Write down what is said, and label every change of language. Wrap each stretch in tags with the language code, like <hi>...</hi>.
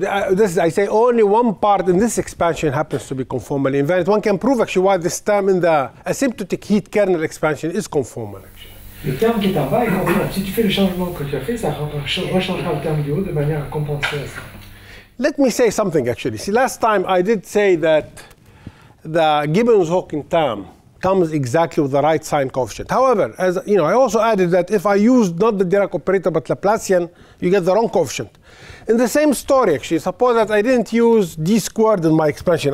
<en>This, I say only one part in this expansion happens to be conformally invariant. One can prove actually why this term in the asymptotic heat kernel expansion is conformal.</en> <fr>Le terme qui est en bas est conformal. Si tu fais le changement que tu as fait, ça rechangera le terme du haut de manière à compenser ça.</fr> <en>Let me say something actually. See, last time I did say that the Gibbons-Hawking term comes exactly with the right sine coefficient. However, as you know, I also added that if I used not the Dirac operator but Laplacian, you get the wrong coefficient. In the same story, actually, suppose that I didn't use d squared in my expansion.</en>